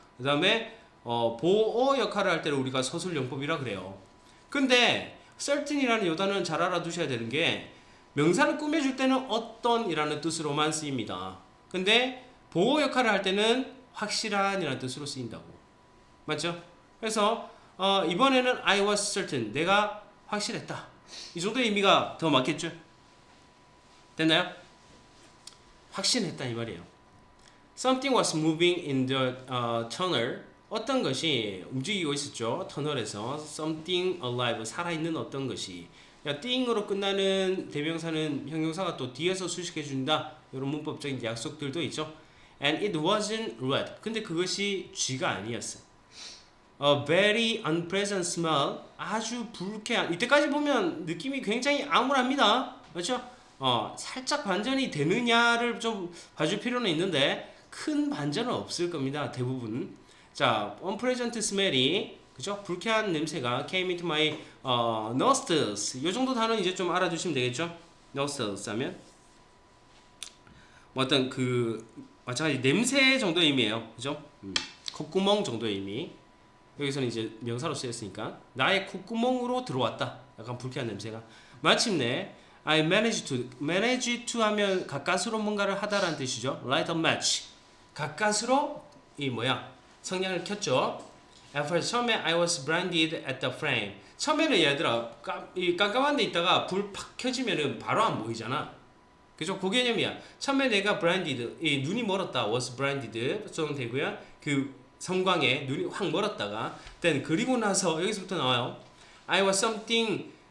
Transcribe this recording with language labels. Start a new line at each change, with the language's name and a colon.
Korean: 그 다음에, 보호 역할을 할 때를 우리가 서술용법이라 그래요. 근데 certain이라는 요 단어는 잘 알아두셔야 되는 게 명사를 꾸며줄 때는 어떤이라는 뜻으로만 쓰입니다. 근데 보호 역할을 할 때는 확실한이라는 뜻으로 쓰인다고. 맞죠? 그래서 이번에는
English: I was certain.
Korean: 내가 확실했다. 이 정도의 의미가 더 맞겠죠? 됐나요? 확신했다 이 말이에요.
English: Something was moving in the tunnel.
Korean: 어떤 것이 움직이고 있었죠? 터널에서
English: something alive,
Korean: 살아있는 어떤 것이. 야, thing으로 끝나는 대명사는 형용사가 또 뒤에서 수식해 준다. 이런 문법적인 약속들도 있죠.
English: And it wasn't red.
Korean: 근데 그것이 쥐가 아니었어.
English: A very unpleasant smell.
Korean: 아주 불쾌한. 이때까지 보면 느낌이 굉장히 암울합니다. 맞죠? 살짝 반전이 되느냐를 좀 봐줄 필요는 있는데 큰 반전은 없을 겁니다. 대부분. 자,
English: unpleasant smelly,
Korean: 그죠? 불쾌한 냄새가
English: came into my nostrils.
Korean: 요 정도 단어는 이제 좀 알아주시면 되겠죠? nostrils 하면 뭐 어떤 그 마찬가지 냄새 정도의 의미예요, 그죠? 콧구멍 정도의 의미. 여기서는 이제 명사로 쓰였으니까 나의 콧구멍으로 들어왔다. 약간 불쾌한 냄새가. 마침내
English: I managed to
Korean: 하면 가까스로 뭔가를 하다라는 뜻이죠.
English: Light a match.
Korean: 가까스로 이 뭐야? 성냥을 켰죠.
English: At first,
Korean: 처음에
English: I was blinded at the frame.
Korean: 처음에는 얘들아 깜깜한 데 있다가 불팍 켜지면은 바로 안 보이잖아. 그죠? 그 개념이야. 처음에 내가 blinded, 이 눈이 멀었다.
English: was blinded
Korean: 써도 되고요. 그 섬광에 눈이 확 멀었다가 then 그리고 나서 여기서부터 나와요.
English: I was something.